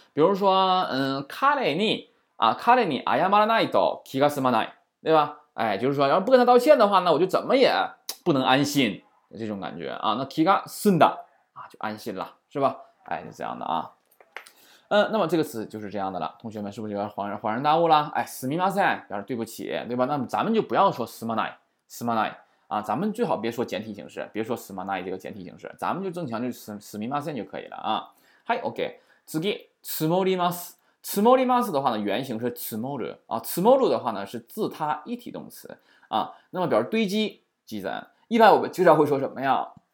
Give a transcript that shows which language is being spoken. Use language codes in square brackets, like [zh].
[ja] 比如说，彼に謝らないと気が済まない， [zh] 对吧？哎，就是说，要不跟他道歉的话，那我就怎么也不能安心这种感觉啊。那 [ja] 気が済んだ [zh] 啊，就安心了，是吧？哎，就这样的啊。那么这个词就是这样的了，同学们是不是有点恍然大悟了？哎，すみません，表示对不起，对吧？那么咱们就不要说すまない，すまない。啊，咱们最好别说简体形式，别说 smanai 这个简体形式，咱们就正常就是 smimasen 就可以了啊。嗨，OK，次给 tsumorimasu，tsumorimasu 的话呢，原型是 tsumoru 啊，tsumoru 的话呢是自他一体动词啊。那么表示堆积、积攒，一般我们经常会说什么呀？